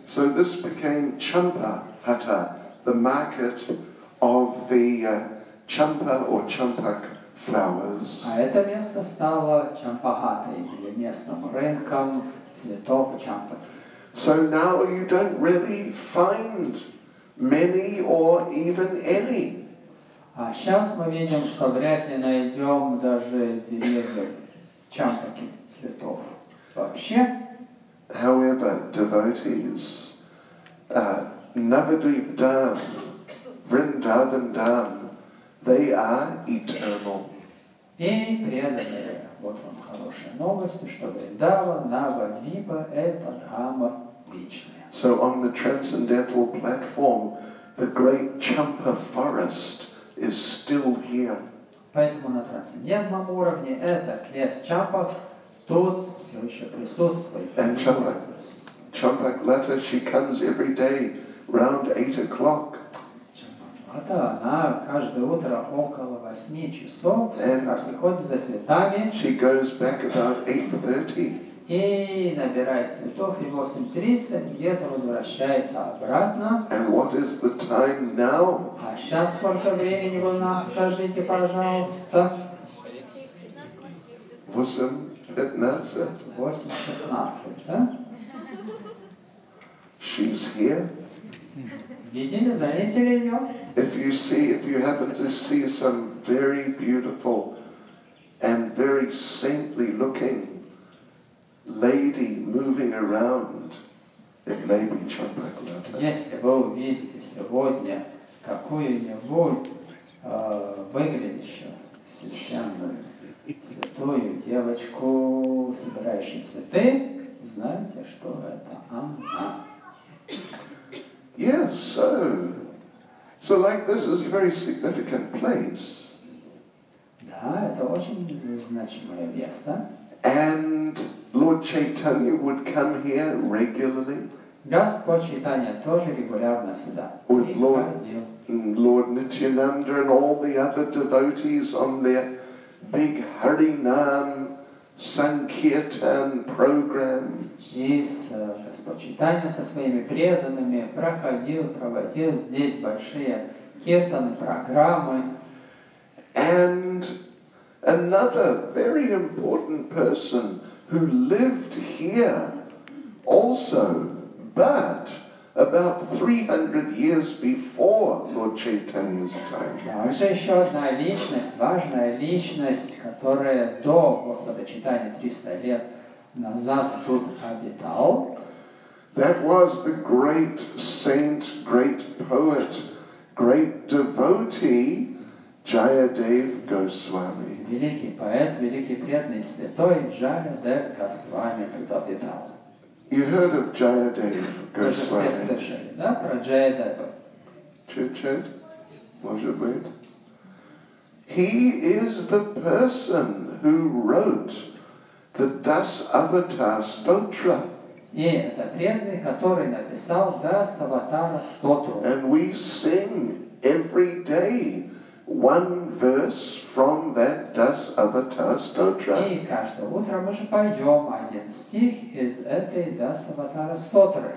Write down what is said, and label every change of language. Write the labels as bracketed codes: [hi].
[en] So this became Champahatta, the market of the champa or champak flowers. [ru] А это место стало Champahattai, или местным рынком цветов champa. [en] So now you don't really find many or even any. [ru] А сейчас мы видим, что вряд ли найдем даже деревья champaки цветов вообще. [en] However, devotees, Navadvip Dham, Vrindavan Dham, They are eternal. [ru] И преданные, вот вам хорошие новости, что Вейдава, Нава, Випа – это Дхамма вечная. [en] So on the transcendental platform, the great Champa forest is still here. [ru] Поэтому на трансцендентном уровне этот лес Чампа тут все еще присутствует. [en] And Champa, Champa Glatta, she comes every day round 8 o'clock. [ru] Она каждое утро около 8 часов приходит за цветами. [en] She goes back about 8:30. [ru] И набирает цветов, и 8:30 где-то возвращается обратно. [en] And what is the time now? [ru] А сейчас сколько времени у нас, скажите, пожалуйста? [en] 8:15. [ru] 8:16, да? [en] She's here. [ru] Видели, заметили ее? [en] If you see, if you happen to see some very beautiful and very saintly looking lady moving around, it may be Champa Glatta. [ru] Если вы увидите сегодня какую-нибудь выглядящую священную святую девочку, собирающую цветы, знаете, что это она. [en] Yes, so. So like this is a very significant place. [ru] Да, это очень значимое место. [en] And Lord Chaitanya would come here regularly. [ru] Господь Чайтанья тоже регулярно сюда приходил. [en] Lord Nityananda and all the other devotees on their big Harinam Sankirtan programs. [ru] И Господь Чайтанья со своими преданными проводил здесь большие киртаны программы. [en] And another very important person who lived here also, but about 300 years before Lord Chaitanya's time. [ru] Также еще одна личность, важная личность, которая до Господа Чайтаньи 300 лет назад тут обитал. [en] That was the great saint, great poet, great devotee, Jayadev Goswami. [ru] Великий поэт, великий преданный святой Jayadev Goswami тут обитал. [en] You heard of Jayadev Goswami? [ru] Все слышали, да, про Jayadeva? Чет-чет? Может быть? [en] He is the person who wrote the Das Avatar Stotra. [ru] И это преданный, который написал Das Avatar Stotra. [en] And we sing every day one verse from that Das Avatar Stotra. [ru] И каждое утро мы же поем один стих из этой Das Avatar Stotra.